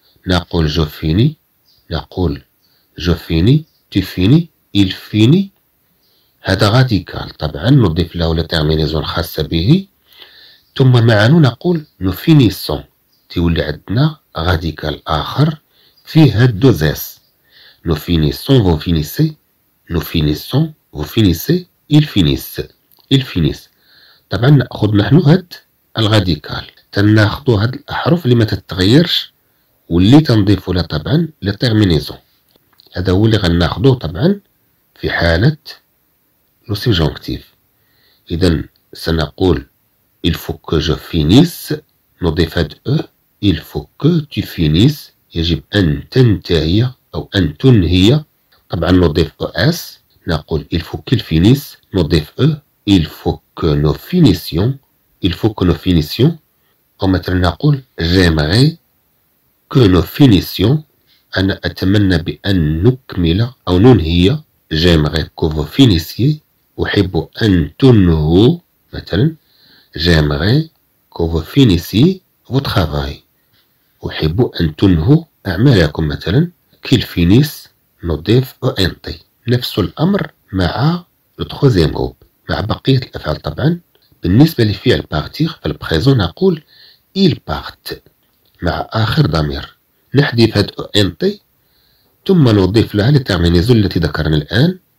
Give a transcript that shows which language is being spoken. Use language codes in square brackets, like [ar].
[ar] نقول جو فيني، نقول جو فيني، تي فيني، إل فيني. هذا غاديكال طبعا نضيف له لترمينيزون خاصة به. ثم معنا نقول نو فينيسون، تيولي عندنا غاديكال آخر فيه هاد دو زاس. نو فينيسون فو فينيسي. [fr] Nous finissons, vous finissez, ils finissent, ils finissent. [ar] طبعا ناخذ نحن هاد الغاديكال تناخذوا هاد الاحرف اللي ما تتغيرش واللي تنضيفوا لها طبعا لترمينيزون. هذا هو اللي غناخذوه طبعا في حاله لو سوبجونكتيف. اذا سنقول [fr] il faut que je finisse [ar] نضيف هاد او. [fr] il faut que tu finisses [ar] يجب ان تنتهي او ان تنهي. طبعا نضيف او اس نقول [fr] il faut qu'il finisse [ar] نضيف او [fr] il faut que nous finissions [ar] il faut que nous finissions او مثلا نقول [fr] j'aimerais que nous finissions [ar] انا اتمنى بان نكمل او ننهي. [fr] j'aimerais que vous finissiez [ar] احب ان تنهوا مثلا. [fr] j'aimerais que vous finissiez votre travail [ar] احب ان تنهوا اعمالكم مثلا. [fr] qu'il finisse [ar] نضيف او ان تي. نفس الامر مع التخوزيام جروب مع بقيه الافعال. طبعا بالنسبه لفعل بارتيغ في البريزون نقول [fr] il part [ar] مع اخر ضمير. نحذف هاد او ان تي ثم نضيف لها لترمينيزون التي ذكرنا الان.